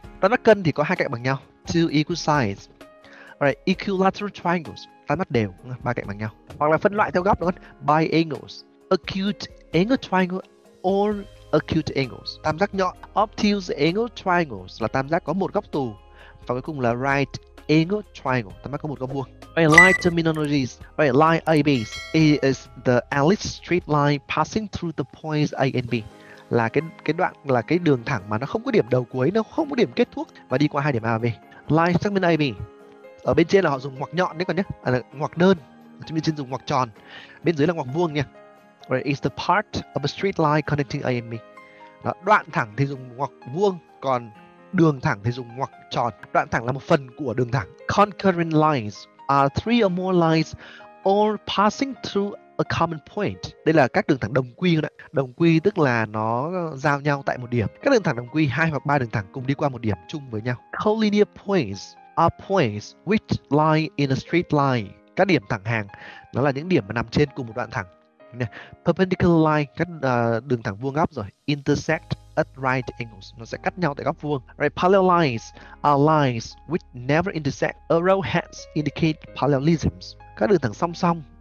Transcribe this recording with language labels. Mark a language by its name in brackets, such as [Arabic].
[Vietnamese] Tam giác cân thì có hai cạnh bằng nhau, [English] two equal sides. Alright, equilateral triangles, [Vietnamese] tam giác đều, ba cạnh bằng nhau. Hoặc là phân loại theo góc, đúng không? [English] By angles, acute angle triangle or acute angles, [Vietnamese] tam giác nhọn. Obtuse angle triangles là tam giác có một góc tù. Và cuối cùng là right angle triangle, tam giác có một góc vuông. [English] Alright, line terminologies. Alright, line AB is the at least straight line passing through the points A and B. [Vietnamese] Là cái đoạn, là cái đường thẳng mà nó không có điểm đầu cuối, nó không có điểm kết thúc và đi qua hai điểm A và B. Line segment AB, ở bên trên là họ dùng ngoặc nhọn đấy con nhé, ngoặc đơn, ở bên trên dùng ngoặc tròn, bên dưới là ngoặc vuông nha. [English] Right, is the part of a straight line connecting A and B. [Vietnamese] Đó, đoạn thẳng thì dùng ngoặc vuông, còn đường thẳng thì dùng ngoặc tròn. Đoạn thẳng là một phần của đường thẳng. [English] Concurrent lines are three or more lines all passing through a common point. [Vietnamese] Đây là các đường thẳng đồng quy đấy. Đồng quy tức là nó giao nhau tại một điểm. Các đường thẳng đồng quy, hai hoặc ba đường thẳng cùng đi qua một điểm chung với nhau. [English] Collinear points are points which lie in a straight line. [Vietnamese] Các điểm thẳng hàng, nó là những điểm mà nằm trên cùng một đoạn thẳng. Perpendicular line, các đường thẳng vuông góc rồi. [English] Intersect at right angles, [Vietnamese] nó sẽ cắt nhau tại góc vuông. [English] Right, parallel lines are lines which never intersect. Arrowheads indicate parallelisms. [Vietnamese] Các đường thẳng song song